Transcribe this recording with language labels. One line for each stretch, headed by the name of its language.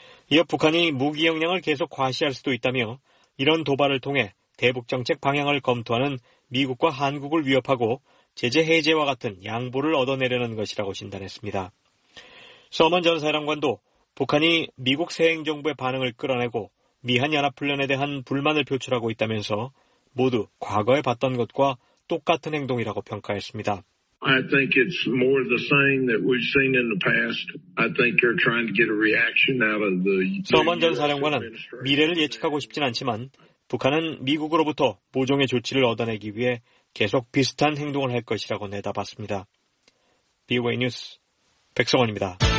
Korean: 이어 북한이 무기 역량을 계속 과시할 수도 있다며 이런 도발을 통해 대북 정책 방향을 검토하는 미국과 한국을 위협하고 제재 해제와 같은 양보를 얻어내려는 것이라고 진단했습니다. 서먼 전 사령관도 북한이 미국 새 행정부의 반응을 끌어내고 미한연합훈련에 대한 불만을 표출하고 있다면서 모두 과거에 봤던 것과 똑같은 행동이라고 평가했습니다.
English: I think it's more the same that we've seen in the past. I think you're trying to get a reaction out of the.
Korean: 서먼 전 사령관은 미래를 예측하고 싶진 않지만 북한은 미국으로부터 모종의 조치를 얻어내기 위해 계속 비슷한 행동을 할 것이라고 내다봤습니다. BOA 뉴스 백성원입니다.